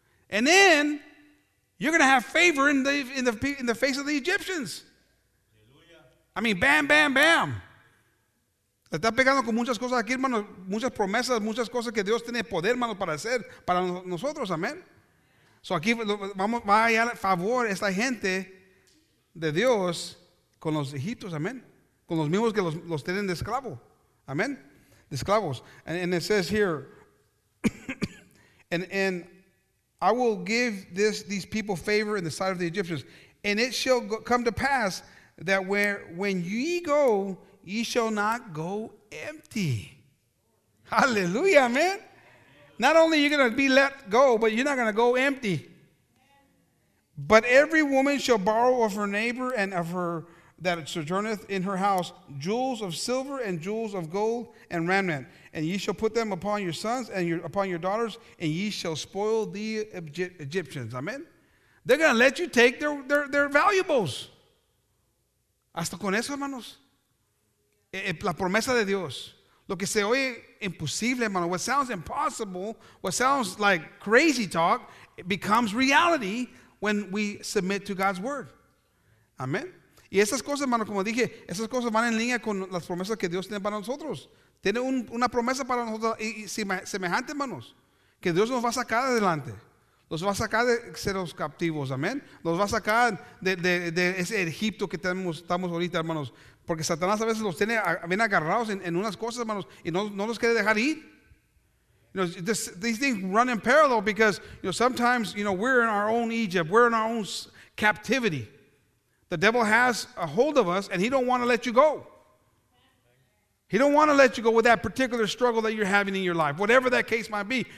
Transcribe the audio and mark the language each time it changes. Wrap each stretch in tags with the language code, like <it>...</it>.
<en>And then you're going to have favor in the face of the Egyptians. Hallelujah. I mean, bam, bam, bam.</en> <es>Le está pegando con muchas cosas aquí, hermano, muchas promesas, muchas cosas que Dios tiene poder, hermano, para hacer para nosotros, amén. So aquí vamos, va a hallar favor esta gente de Dios con los egipcios, amén, con los mismos que los tienen de esclavo, amén, de esclavos.</es> <en>And it says here, and I will give these people favor in the sight of the Egyptians, and it shall come to pass that when ye go, ye shall not go empty. Hallelujah, man. Not only are you going to be let go, but you're not going to go empty. "But every woman shall borrow of her neighbor and of her that sojourneth in her house jewels of silver and jewels of gold and raiment. And ye shall put them upon your sons and upon your daughters, and ye shall spoil the Egyptians." Amen. They're going to let you take their valuables.</en> <es>Hasta con eso, hermanos. La promesa de Dios. Lo que se oye imposible, hermano.</es> <en>What sounds impossible, what sounds like crazy talk, it becomes reality when we submit to God's word. Amen.</en> <es>Y esas cosas, hermano, como dije, esas cosas van en línea con las promesas que Dios tiene para nosotros. Tiene una promesa para nosotros y semejante, hermanos, que Dios nos va a sacar adelante. Los va a sacar de ser los captivos, amén. Los va a sacar de ese Egipto que estamos ahorita, hermanos. Porque Satanás a veces los tiene bien agarrados en unas cosas, hermanos, y no los quiere dejar ir.</es> <en>You know, these things run in parallel because, you know, sometimes, you know, we're in our own Egypt. We're in our own captivity. The devil has a hold of us, and he don't want to let you go. He don't want to let you go with that particular struggle that you're having in your life, whatever that case might be.</en>